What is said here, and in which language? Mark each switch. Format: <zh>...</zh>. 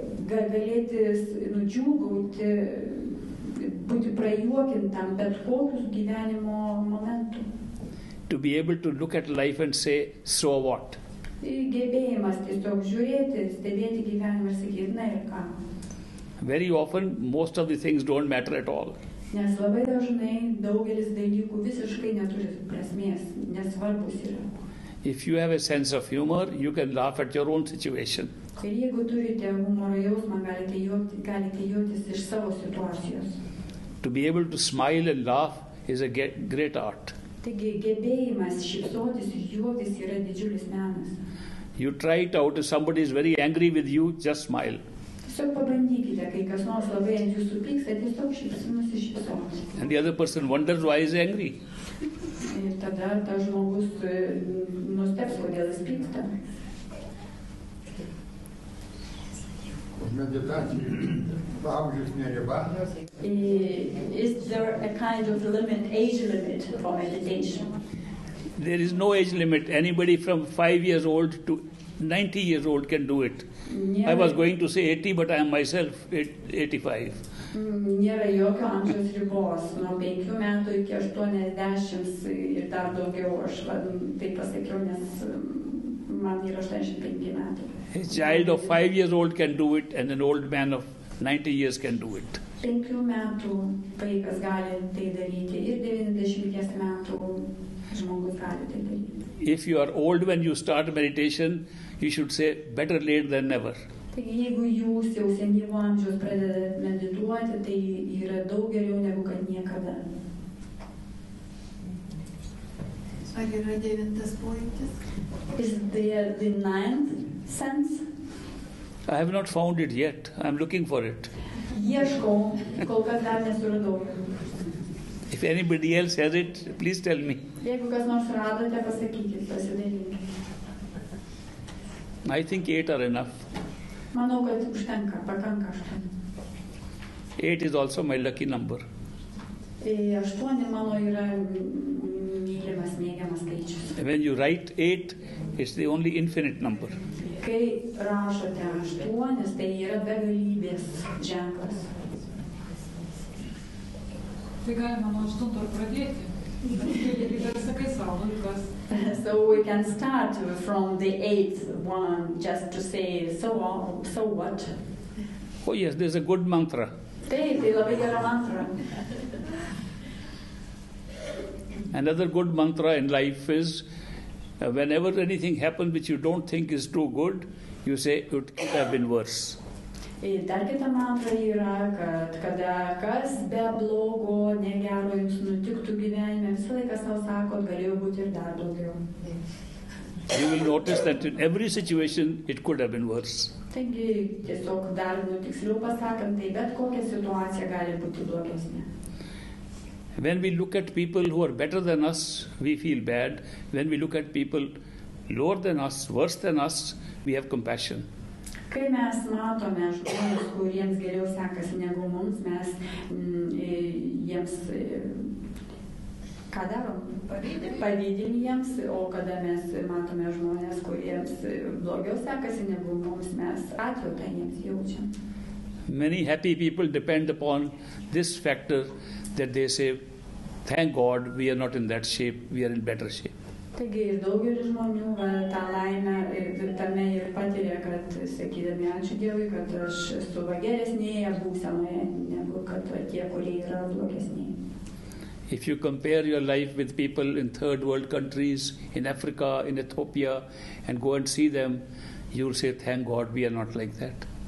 <lt>galėti nudžiūgauti, būti prajuokintam bet kokius gyvenimo momentų.</lt> <en>To be able to look at life and say, so what?</en> <lt>Gebėjimas tiesiog žiūrėti, stebėti gyvenimą ir sakyti, na ir ką.</lt> <en>Very often, most of the things don't matter at all.</en> <lt>Nes labai dažnai daugelis dalykų visiškai neturi prasmės, nesvarbus yra.</lt> <en>If you have a sense of humor, you can laugh at your own situation.</en> <lt>Ir jeigu turite humoro jausmą, galite juoktis iš savo situacijos.</lt> <en>To be able to smile and laugh is a great art.</en> <lt>Taigi gebėjimas šypsotis ir juoktis yra didžiulis menas.</lt> <en>You try it out, if somebody is very angry with you, just smile.</en> <lt>Tiesiog pabandykite, kai kas nors labai ant jūsų pyksta, tiesiog nusišypsokite. And the other person wonders why he's angry. Ir tada ta žmogus nusteps, kodėl jis pyksta. Meditacija,</lt> <en>is there a kind of limit, age limit for meditation? There is no age limit. Anybody from 5 years old to 90 years old can do it. I was going to say 80, but I am myself 85.</en> <lt>Nėra jokio amžiaus ribos. Nuo 5 metų iki 80 ir dar daugiau. Aš taip pasakiau, nes man yra 85 metų.</lt> <en>A child of 5 years old can do it, and an old man of 90 years can do it.</en> <lt>5 metų vaikas gali tai daryti, ir 90 metų žmogus gali tai daryti.</lt> <en>If you are old when you start meditation, you should say, better late than never.</en> <lt>Taigi, jeigu jūs jau senyvo amžiaus pradedate medituoti, tai yra daug geriau negu kad niekada. Ar yra 9 pojūtis?</lt> <en>Is there the 9th? Sense? I have not found it yet. I am looking for it.</en> <lt>Ieškau, kol kas dar nesuradau.</lt> <en>If anybody else has it, please tell me.</en> <lt>Jeigu kas nors radote, pasakykit, pasidalinkit.</lt> <en>I think 8 are enough.</en> <lt>Manau, kad užtenka, pakanka 8.</lt> <en>8 is also my lucky number.</en> <lt>8 mano yra mylimas, mėgiamas skaičius.</lt> <en>When you write 8, it's the only infinite number.</en> <lt>Kai rašote 8, tai yra begalybės ženklas. Tai galima nuo 8 pradėti.</lt> <en>So we can start from the 8th one, just to say, so what? Oh yes, there's a good mantra.</en> <lt>Taip, tai labai gera mantra.</lt> <en>Another good mantra in life is, whenever anything happens which you don't think is too good, you say it could have been worse.</en> <lt>Ir dar kita mantra yra, kad kada kas be blogo, negero jums nutiktų gyvenime, visą laiką savo sakot, galėjo būti ir dar blogiau.</lt> <en>You will notice that in every situation it could have been worse.</en> <lt>Taigi, tiesiog dar tiksliau pasakant, tai bet kokia situacija gali būti blogesnė.</lt> <en>When we look at people who are better than us, we feel bad. When we look at people lower than us, worse than us, we have compassion.</en> <lt>Kai mes matome žmonės, kuriems geriau sekasi negu mums, mes jiems ką darom? Pavydim jiems, o kada mes matome žmonės, kuriems blogiau sekasi negu mums, mes atjautą jiems jaučiam.</lt> <en>Many happy people depend upon this factor that they say, thank God, we are not in that shape, we are in better shape.</en> <lt>Taigi, daugelis žmonių tą laimę tame ir patiria, kad sakydami ačiū Dievui, kad aš esu geresnėje būsenoje, negu kad tie, kurie yra blogesnėje.</lt> <en>If you compare your life with people in third world countries, in Africa, in Ethiopia, and go and see them, you'll say, thank God, we are not like that.</en>